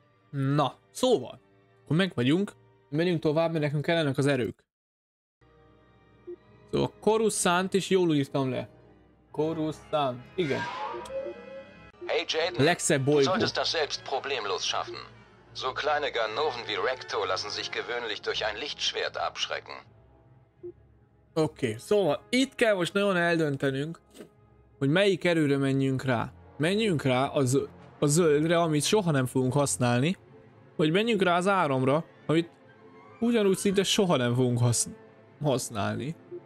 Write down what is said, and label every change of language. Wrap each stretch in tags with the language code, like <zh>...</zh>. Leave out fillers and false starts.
<hu>Na, szóval, akkor megvagyunk, menjünk tovább, mert nekünk kellenek az erők. Szóval Coruscant is jól írtam le. Coruscant, igen.</hu> <de>Hey Jaden,</de> <hu>legszebb bolygó.</hu> <de>Du solltest das selbst problemlos schaffen. So kleine Ganoven wie Recto lassen sich gewöhnlich durch ein Lichtschwert abschrecken.</de> <hu>Oké, okay, szóval itt kell most nagyon eldöntenünk, hogy melyik erőre menjünk rá. Menjünk rá a zöldre, amit soha nem fogunk használni, vagy menjünk rá az áramra, amit ugyanúgy szinte soha nem fogunk használni.</hu>